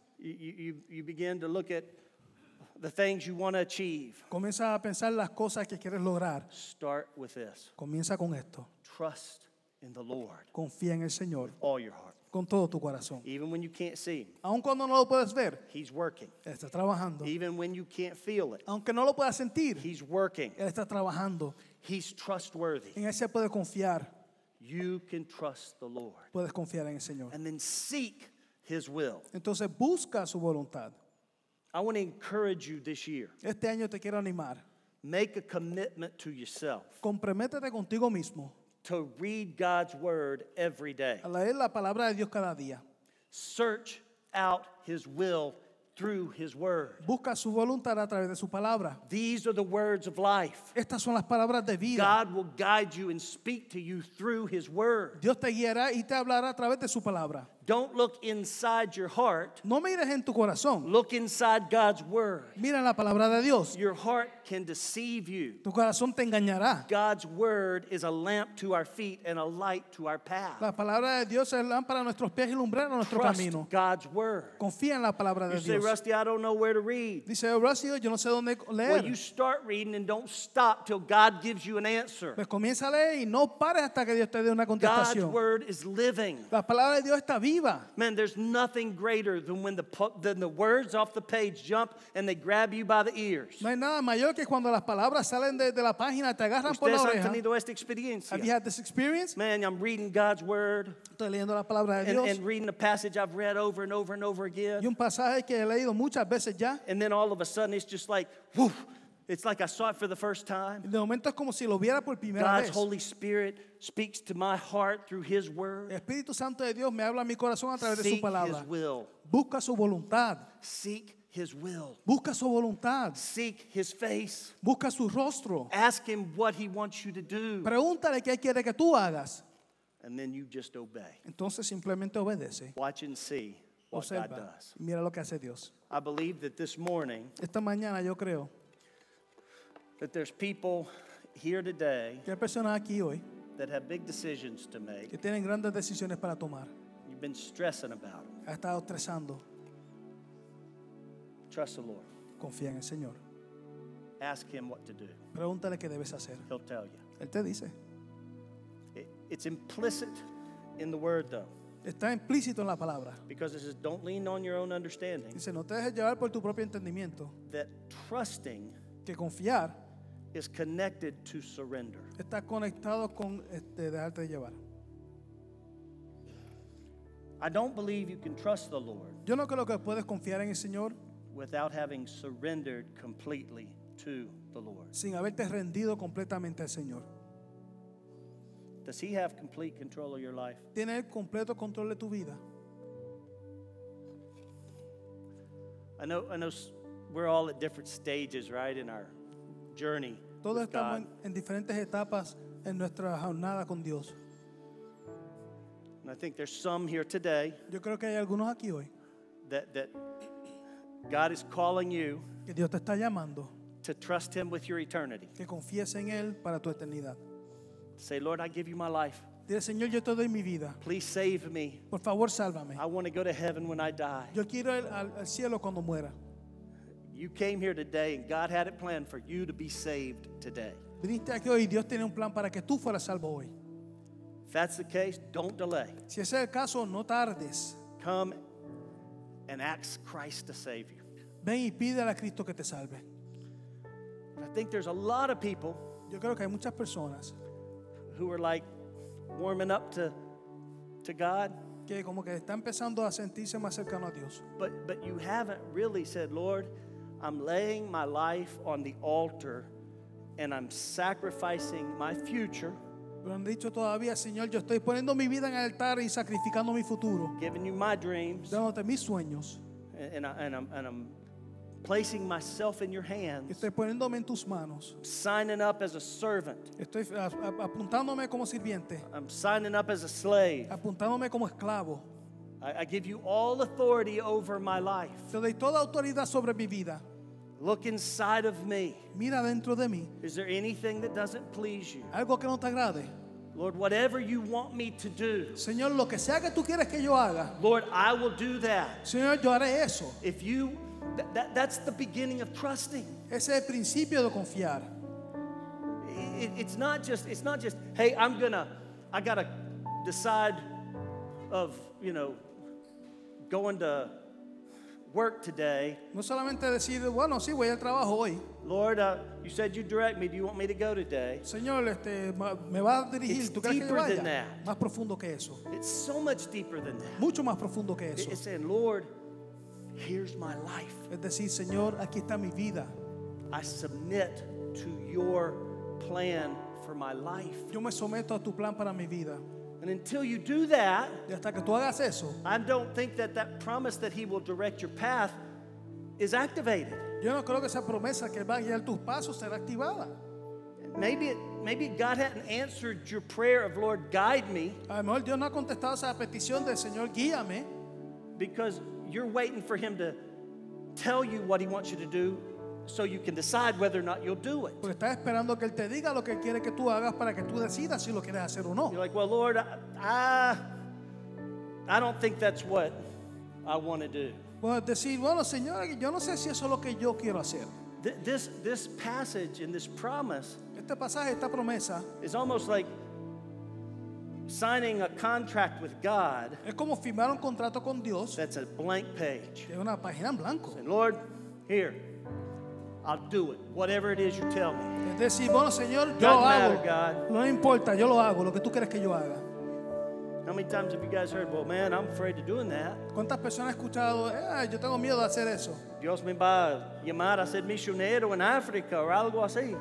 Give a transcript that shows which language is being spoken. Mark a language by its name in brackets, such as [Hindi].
[English] You begin to look at the things you want to achieve. [Spanish] Comienza a pensar las cosas que quieres lograr. [English] Start with this. [Spanish] Comienza con esto. [English] Trust in the Lord. [Spanish] Confía en el Señor. [English] With all your heart. [Spanish] Con todo tu corazón. [English] Even when you can't see him. [Spanish] Aun cuando no lo puedes ver. [English] He's working. [Spanish] Está trabajando. [English] Even when you can't feel it. [Spanish] Aunque no lo puedas sentir. [English] He's working. [Spanish] Está trabajando. [English] He's trustworthy. [Spanish] En él se puede confiar. [English] You can trust the Lord. [Spanish] Puedes confiar en el Señor. [English] And then seek His will. [Spanish] Entonces busca su voluntad. [English] I want to encourage you this year. [Spanish] Este año te quiero animar. [English] Make a commitment to yourself. [Spanish] Comprométete contigo mismo. [English] To read God's word every day. [Spanish] A leer la palabra de Dios cada día. [English] Search out His will through His word. [Spanish] Busca su voluntad a través de su palabra. [English] These are the words of life. [Spanish] Estas son las palabras de vida. [English] God will guide you and speak to you through His word. [Spanish] Dios te guiará y te hablará a través de su palabra. [English] Don't look inside your heart. [Spanish] No mires en tu corazón. [English] Look inside God's word. [Spanish] Mira la palabra de Dios. [English] Your heart can deceive you. [Spanish] Tu corazón te engañará. [English] God's word is a lamp to our feet and a light to our path. [Spanish] La palabra de Dios es lámpara a nuestros pies y lumbrera a nuestro camino. [English] Trust God's word. [Spanish] Confía en la palabra de Dios. [English] You say, Rusty, I don't know where to read. [Spanish] Dice, Rusty, yo no sé dónde leer. [English] Well, you start reading and don't stop till God gives you an answer. [Spanish] Pues comienza a leer y no pares hasta que Dios te dé una contestación. [English] God's word is living. [Spanish] La palabra de Dios está viva. [English] Man, there's nothing greater than when the words off the page jump and they grab you by the ears. [Spanish] No hay nada mayor que cuando las palabras salen de la página te agarran por la oreja. ¿Ustedes han tenido esta experiencia? [English] Have you had this experience? Man, I'm reading God's word. [Spanish] Estoy leyendo la palabra de Dios. [English] And reading a passage I've read over and over and over again. [Spanish] Y un pasaje que he leído muchas veces ya. [English] And then all of a sudden it's just like, woof! It's like I saw it for the first time. [Spanish] De momento es como si lo viera por primera [English] God's [Spanish] vez. [English] Holy Spirit speaks to my heart through His Word. [Spanish] Espíritu Santo de Dios me habla a mi corazón a través [English] Seek [Spanish] de su palabra. [English] Seek His will. [Spanish] Busca su voluntad. [English] Seek His will. [Spanish] Busca su voluntad. [English] Seek His face. [Spanish] Busca su rostro. [English] Ask Him what He wants you to do. [Spanish] Pregúntale qué quiere que tú hagas. [English] And then you just obey. [Spanish] Entonces simplemente obedece. [English] Watch and see what [Spanish] Observa. [English] God does. [Spanish] Mira lo que hace Dios. [English] I believe that this morning. [Spanish] Esta mañana yo creo. [English] That there's people here today [Spanish] que hay personas aquí hoy [English] that have big decisions to make. [Spanish] Que tienen grandes decisiones para tomar. [English] You've been stressing about them. [Spanish] Has estado estresando. [English] Trust the Lord. [Spanish] Confía en el Señor. [English] Ask Him what to do. [Spanish] Pregúntale qué debes hacer. [English] He'll tell you. [Spanish] Él te dice. [English] It's implicit in the word, though. [Spanish] Está implícito en la palabra. [English] Because it says, "Don't lean on your own understanding." [Spanish] Dice, no te dejes llevar por tu propio entendimiento. [English] That trusting. [Spanish] Que confiar [English] is connected to surrender. [Spanish] Está conectado con dejarte llevar. [English] I don't believe you can trust the Lord. [Spanish] Yo no creo que puedes confiar en el Señor [English] without having surrendered completely to the Lord. [Spanish] Sin haberte rendido completamente al Señor. [English] Does He have complete control of your life? [Spanish] ¿Tiene el completo control de tu vida? [English] I know we're all at different stages, right, in our journey. [Spanish] Todos [English] with [Spanish] estamos [English] God. [Spanish] En diferentes etapas en nuestra jornada con Dios. [English] And I think there's some here today. [Spanish] Yo creo que hay algunos aquí hoy. [English] That God is calling you. [Spanish] Que Dios te está llamando. [English] To trust Him with your eternity. [Spanish] Que confíes en Él para tu eternidad. [English] Say, Lord, I give you my life. [Spanish] Dile, Señor, yo te doy mi vida. [English] Please save me. [Spanish] Por favor, sálvame. [English] I want to go to heaven when I die. [Spanish] Yo quiero ir al cielo cuando muera. [English] You came here today and God had it planned for you to be saved today. [Spanish] Viniste aquí hoy y Dios tiene un plan para que tú fueras salvo hoy. [English] If that's the case, don't delay. [Spanish] Si ese es el caso, no tardes. [English] Come and ask Christ to save you. [Spanish] Ven y pide a Cristo que te salve. [English] I think there's a lot of people [Spanish] Yo creo que hay muchas personas [English] who are like warming up to God. [Spanish] Que como que está empezando a sentirse más cercano a Dios. [English] But you haven't really said, Lord, I'm laying my life on the altar and I'm sacrificing my future. [Spanish] Pero han dicho todavía, Señor, yo estoy poniendo mi vida en el altar y sacrificando mi futuro. [English] Giving you my dreams. [Spanish] Dándote mis sueños. [English] And I'm placing myself in your hands. [Spanish] Estoy poniéndome en tus manos. [English] I'm signing up as a servant. [Spanish] Estoy apuntándome como sirviente. [English] I'm signing up as a slave. [Spanish] Apuntándome como esclavo. [English] I give you all authority over my life. [Spanish] Te doy toda autoridad sobre mi vida. [English] Look inside of me. [Spanish] Mira dentro de mí. [English] Is there anything that doesn't please you? [Spanish] Algo que no te agrade. [English] Lord, whatever you want me to do. [Spanish] Señor, lo que sea que tú quieres que yo haga. [English] Lord, I will do that. [Spanish] Señor, yo haré eso. [English] If you, that's the beginning of trusting. [Spanish] Ese es el principio de confiar. [English] It's not just. Hey, I gotta decide of. You know, going to work today. [Spanish] No solamente decir, bueno, sí, voy al trabajo hoy. [English] Lord, you said you direct me. Do you want me to go today? [Spanish] Señor, me va a dirigir. [English] It's deeper than that. [Spanish] Más profundo que eso. [English] It's so much deeper than that. [Spanish] Mucho más profundo que eso. [English] It's saying, Lord, here's my life. [Spanish] Es decir, Señor, aquí está mi vida. [English] I submit to your plan for my life. [Spanish] Yo me someto a tu plan para mi vida. [English] And until you do that, [Spanish] y hasta que tú hagas eso, [English] I don't think that promise that He will direct your path is activated. [Spanish] Yo no creo que esa promesa que va a guiar tus pasos será activada. [English] Maybe it, maybe God hadn't answered your prayer of Lord, guide me. [Spanish] A lo mejor Dios no ha contestado esa petición de Señor, guíame. [English] Because you're waiting for him to tell you what he wants you to do so you can decide whether or not you'll do it. [Spanish] Porque estás esperando que él te diga lo que quiere que tú hagas para que tú decidas si lo quieres hacer o no. [English] You're like, well, Lord, I don't think that's what I want to do. [Spanish] Pues decir, bueno, Señor, yo no sé si eso es lo que yo quiero hacer. [English] This passage and this promise, [Spanish] este pasaje, esta promesa, [English] is almost like signing a contract with God. [Spanish] Es como firmar un contrato con Dios. [English] That's a blank page. [Spanish] Es una página en blanco. [English] Saying, Lord, here, I'll do it. Whatever it is you tell me. [Spanish] Es decir, bueno, Señor, yo lo hago. God. No importa, yo lo hago. Lo que tú quieres que yo haga. [English] How many times have you guys heard, well, man, I'm afraid of doing that? [Spanish] ¿Cuántas personas han escuchado, yo tengo miedo de hacer eso? Dios me va a llamar a ser misionero en África o algo así.